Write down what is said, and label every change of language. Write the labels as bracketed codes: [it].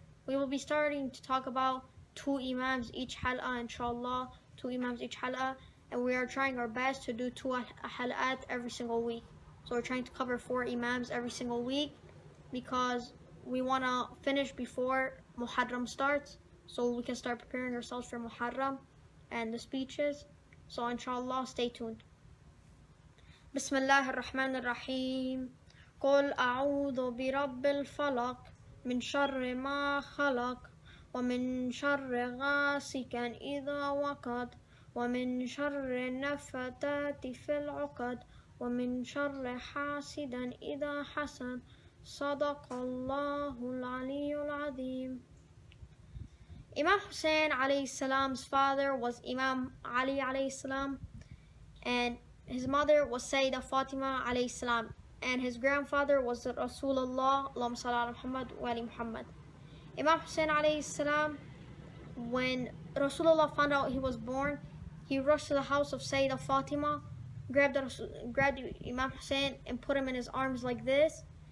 [en] We will be starting to talk about two imams each hal'a, inshallah, two imams each hal'a, and we are trying our best to do two hal'at every single week. So we're trying to cover four imams every single week because we want to finish before Muharram starts so we can start preparing ourselves for Muharram and the speeches. So inshallah, stay tuned. Bismillah ar-Rahman ar-Rahim. [ar] قل أعوذ برب الفلق من شر ما خلق ومن شر غاسق إذا وقد ومن شر النفاثات في العقد ومن شر حاسد إذا حسد صدق الله العلي العظيم. [en] Imam Hussein عليه السلام's father was Imam Ali عليه السلام, and his mother was Sayyida Fatima عليه السلام. And his grandfather was the Rasulullah, Allahumma salli ala Muhammad wa ali Muhammad. Imam Hussein alayhi salam, when Rasulullah found out he was born, he rushed to the house of Sayyida Fatima, grabbed Imam Hussein and put him in his arms like this.